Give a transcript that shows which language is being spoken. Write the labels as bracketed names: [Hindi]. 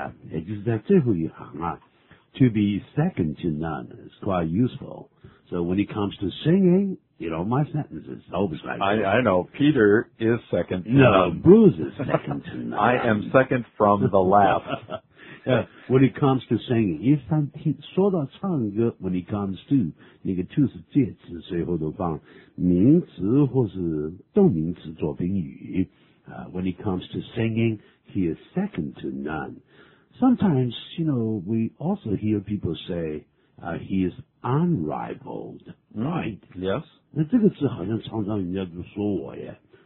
[Chinese] 这里的一个用法呢，也就是在最后一行啊, [English] to be second to none is quite useful. So when it comes to singing, you know, my sentence is always like that. I know. Peter is second to none. Bruce is second to none. I am second from the left. When it comes to singing, [Chinese] 一旦说到唱歌, [English] when it comes to, [Chinese] 那个to是介词,随后都放名词或是动名词做宾语, [English] when it comes to singing, he is second to none. Sometimes, you know, we also hear people say he is unrivaled, right? Yes. [Chinese] 那这个字好像常常人家就说我耶。